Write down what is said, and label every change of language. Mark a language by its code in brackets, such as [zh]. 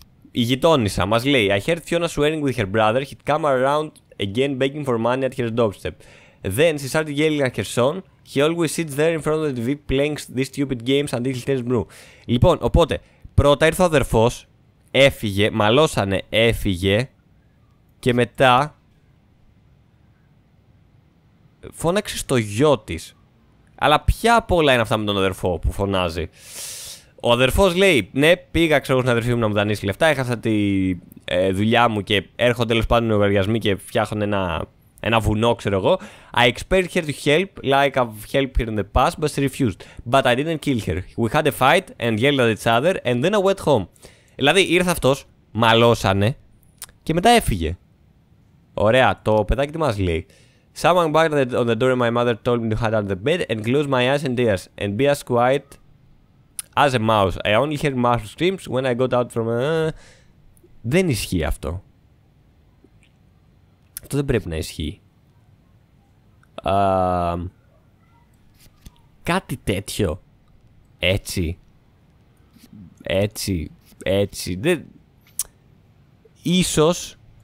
[el] Η γειτόνισσα μας λέει: [en] I heard Fiona swearing with her brother. He'd come around again begging for money at her doorstep. Then she started yelling at her son. He always sits there in front of the TV playing these stupid games until he turns blue. [el] Λοιπόν, οπότε, πρώτα ήρθε ο αδερφός, έφυγε, μαλώσανε, έφυγε και μετά φώναξε στο γιο της. Αλλά ποια από όλα είναι αυτά με τον αδερφό που φωνάζει. Ο αδερφός λέει: ναι, πήγα, ξέρω, στην αδερφή μου να μου δανείσει λεφτά. Έχασα τη δουλειά μου και έρχονται τέλος πάντων οι λογαριασμοί και φτιάχνουν ένα ένα βουνό, ξέρω εγώ. [en] I expected her to help, like I've helped her in the past, but she refused. But I didn't kill her. We had a fight and yelled at each other and then I went home. [el] Δηλαδή, ήρθε αυτός, μαλώσανε και μετά έφυγε. Ωραία, το παιδάκι τι μας λέει. [en] Someone banged on the door and my mother told me to hide under the bed and close my eyes and ears and be as quiet as a mouse. I only heard mouse screams when I got out from a... [el] Δεν ισχύει αυτό. Αυτό δεν πρέπει να ισχύει. Κάτι τέτοιο. Έτσι. Έτσι. Έτσι. Δεν... Ίσως...